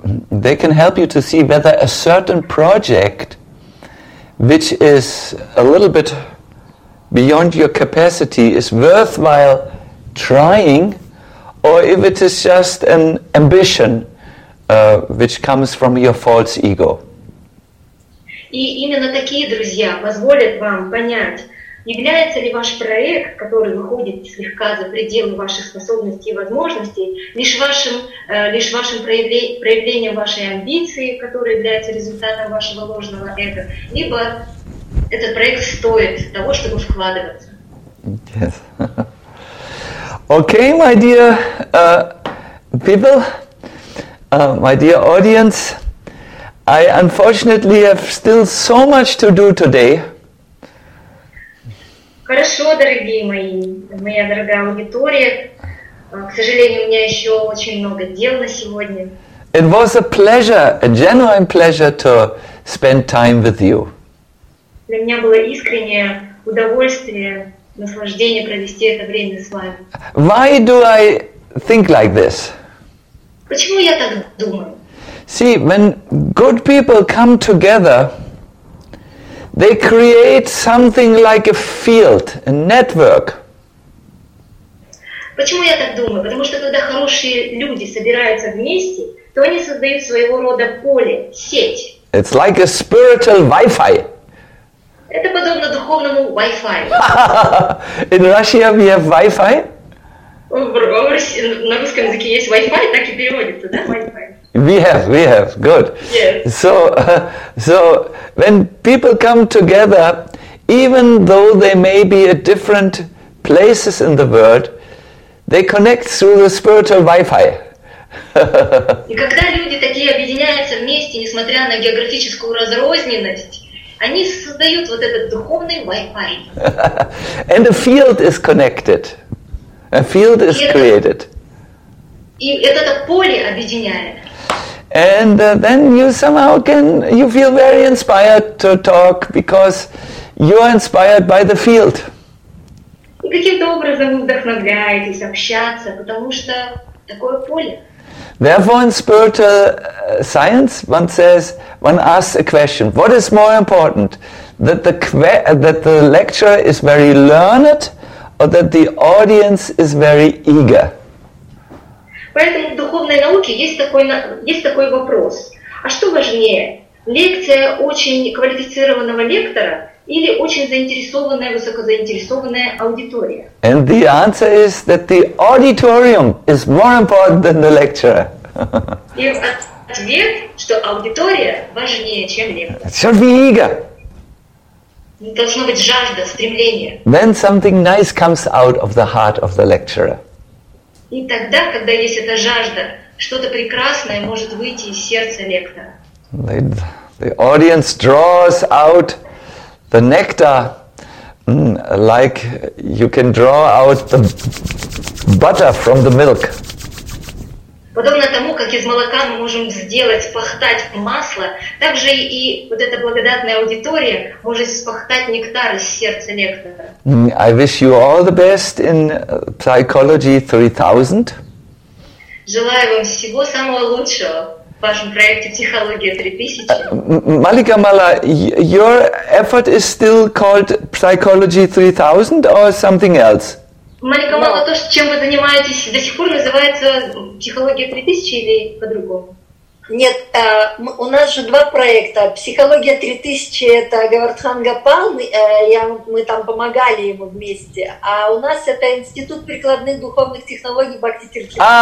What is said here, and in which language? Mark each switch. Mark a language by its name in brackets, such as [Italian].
[English] They can help you to see whether a certain project, which is a little bit beyond your capacity, is worthwhile trying, or if it is just an ambition, which comes from your false ego. [Russian] И именно такие друзья позволят вам понять, является ли ваш проект, который выходит слегка за пределы ваших способностей и возможностей, лишь вашим проявлением вашей амбиции, которая является результатом вашего ложного эго, либо этот проект стоит того, чтобы вкладываться. [English] Yes. Okay, my dear people, my dear audience, I unfortunately have still so much to do today. [Russian] Хорошо, дорогие мои, моя дорогая аудитория. К сожалению, у меня еще очень много дел на сегодня. [English] It was a pleasure, a genuine pleasure to spend time with you. [Russian] Для меня было искреннее удовольствие, наслаждение провести это время с вами. [English] Why do I think like this? [Russian] Почему я так думаю? [English] See, when good people come together, they create something like a field, a network. [Russian] Почему я так думаю? Потому что когда хорошие люди собираются вместе, то они создают своего рода поле, сеть. [English] It's like a spiritual Wi-Fi. [Russian] Это подобно духовному Wi-Fi. [English] In Russia we have Wi-Fi. [Russian] На русском языке есть Wi-Fi, так и переводится, да, Wi-Fi? [English] We have, good. Yes. So when people come together, even though they may be at different places in the world, they connect through the spiritual Wi-Fi. [Russian] И когда люди такие объединяются вместе, несмотря на географическую разрозненность, они создают вот этот духовный Wi-Fi. [English] And a field is connected. A field is created. [Russian] И это поле объединяет. [English] And then you somehow can, you feel very inspired to talk because you are inspired by the field. [Russian] И каким-то образом вы вдохновляетесь общаться, потому что такое поле. [English] Therefore, in spiritual science, one asks a question: what is more important, that the lecturer is very learned, or that the audience is very eager? [Russian] Поэтому в духовной науке есть такой вопрос. А что важнее, лекция очень квалифицированного лектора или очень заинтересованная, высокозаинтересованная аудитория? [English] And the answer is that the auditorium is more important than the lecturer. [Russian] И ответ, что аудитория важнее, чем лектор. [English] Should be eager. [Russian] Должно быть жажда, стремление. [English] Then something nice comes out of the heart of the lecturer. [Russian] И тогда, когда есть эта жажда, что-то прекрасное может выйти из сердца лектора. [English] The audience draws out the nectar like you can draw out the butter from the milk. [Russian] Подобно тому, как из молока мы можем сделать, спахтать масло, так же и вот эта благодатная аудитория может спахтать нектар из сердца лектора. [English] I wish you all the best in Psychology 3000. [Russian] Желаю вам всего самого лучшего в вашем проекте Психология 3000. [English] Malika Mala, your effort is still called Psychology 3000 or something else? [Russian] Malika Mala, то, чем вы занимаетесь, до сих пор называется Психология 3000 или по-другому? Нет, у нас же два проекта. Психология 3000 – это Говардхан Гопал, мы там помогали ему вместе. А у нас это Институт прикладных духовных технологий Бхакти Тиртхи.